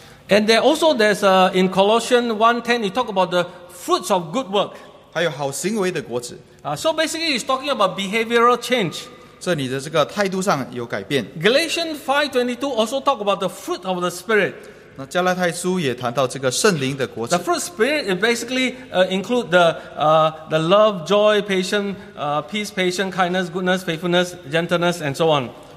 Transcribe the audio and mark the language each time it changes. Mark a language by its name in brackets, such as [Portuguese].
[English] And there also there's in Colossians 1:10, you talk about the fruits of good work. [Chinese] 还有好行为的果子。 [English] So basically, it's talking about behavioral change. [Chinese] 这里的这个态度上有改变。 [English] Galatians 5:22 also talk about the fruit of the Spirit. [Chinese] 那加拉太书也谈到这个圣灵的果子。 [English] The fruit of the Spirit basically include the love, joy, patience, peace, patience, kindness, goodness, faithfulness, gentleness, and so on.